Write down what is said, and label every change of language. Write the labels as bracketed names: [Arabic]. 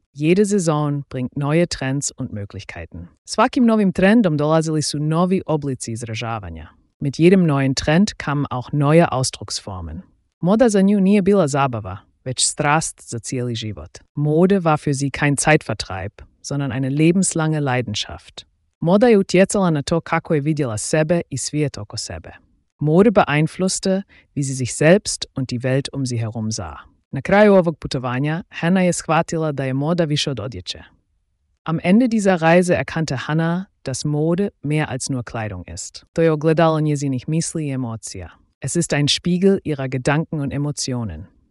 [German] Jede Saison bringt neue Trends und Möglichkeiten. [Croatian] Svakim novim trendom dolazili su novi oblici izražavanja. [German] Mit jedem neuen Trend kamen auch neue Ausdrucksformen. [Croatian] Moda za nju nije bila zabava, već strast za cijeli život. [German] Mode war für sie kein Zeitvertreib, sondern eine lebenslange Leidenschaft. [Croatian] Moda je utjecala na to kako je vidjela sebe i svijet oko sebe. [German] Mode beeinflusste, wie sie sich selbst und die Welt um sie herum sah. [Croatian] Na kraju ovog putovanja, Hannah je shvatila da je moda više od odjeće. [German] Am Ende dieser Reise erkannte Hannah, dass Mode mehr als nur Kleidung ist. [Croatian] To je ogledalo njezinih misli i emocija. [German] Es ist ein Spiegel ihrer Gedanken und Emotionen.